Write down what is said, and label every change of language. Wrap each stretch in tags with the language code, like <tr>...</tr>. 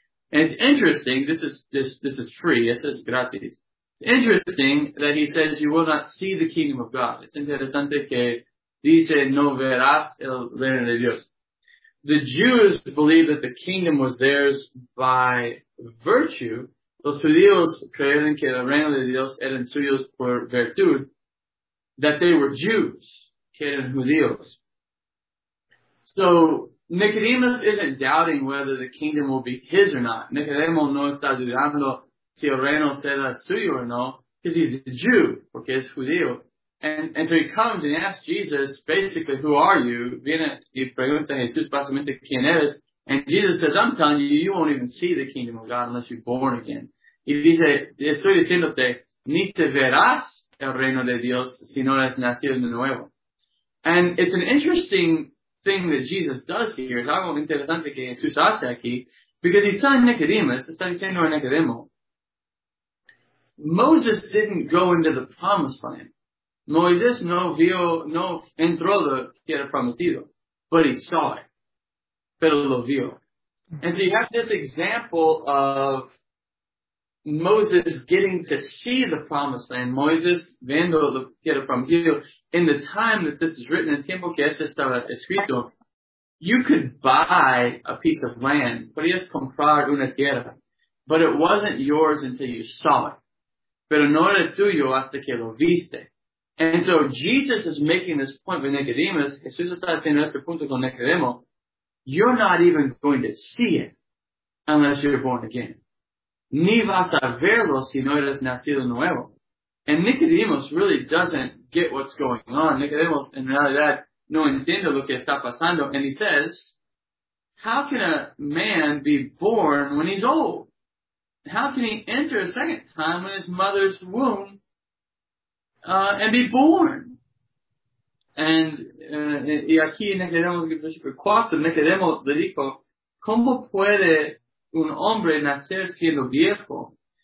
<en>And it's interesting, this is free, this is gratis. It's interesting that he says you will not see the kingdom of God.</en> <es>It's interesante que dice, no verás el reino de Dios.</es> <en>The Jews believed that the kingdom was theirs by virtue.</en> <es>Los judíos creían que el reino de Dios eran suyos por virtud.</es> <en>That they were Jews,</en> <es>que eran judíos.</es> <en>So, Nicodemus isn't doubting whether the kingdom will be his or not.</en> <es>Nicodemus no está dudando si el reino será suyo o no,</es> <en>because he's a Jew,</en> <es>porque es judío.</es> <en>And so he comes and asks Jesus, basically, who are you?</en> <es>Viene y pregunta a Jesús, básicamente, ¿quién eres?</es> <en>And Jesus says, I'm telling you, you won't even see the kingdom of God unless you're born again.</en> <es>Y dice, estoy diciéndote, ni te verás el reino de Dios si no eres nacido de nuevo.</es> <en>And it's an interesting thing that Jesus does here.</en> <es>Es algo interesante que Jesús hace aquí.</es> <en>Because he's telling Nicodemus,</en> <es>está diciendo a Nicodemo,</es> <en>Moses didn't go into the promised land.</en> <es>Moisés no vio, no entró lo que era prometido,</es> <en>but he saw it.</en> <es>Pero lo vio.</es> <en>And so you have this example of Moses getting to see the promised land,</en> <es>Moisés viendo lo que era prometido,</es> <en>in the time that this is written,</en> <es>en tiempo que esto estaba escrito,</es> <en>you could buy a piece of land,</en> <es>podías comprar una tierra,</es> <en>but it wasn't yours until you saw it.</en> <es>Pero no era tuyo hasta que lo viste.</es> <en>And so Jesus is making this point with Nicodemus.</en> <es>Jesús está haciendo este punto con Nicodemo.</es> <en>You're not even going to see it unless you're born again.</en> <es>Ni vas a verlo si no eres nacido nuevo.</es> <en>And Nicodemus really doesn't get what's going on.</en> <es>Nicodemus, en realidad, no entiende lo que está pasando.</es> <en>And he says, how can a man be born when he's old? How can he enter a second time when his mother's womb and be born.</en> <es>And, y aquí Nicodemo, cuatro, Nicodemo le dijo, ¿cómo puede un hombre nacer siendo viejo?</es>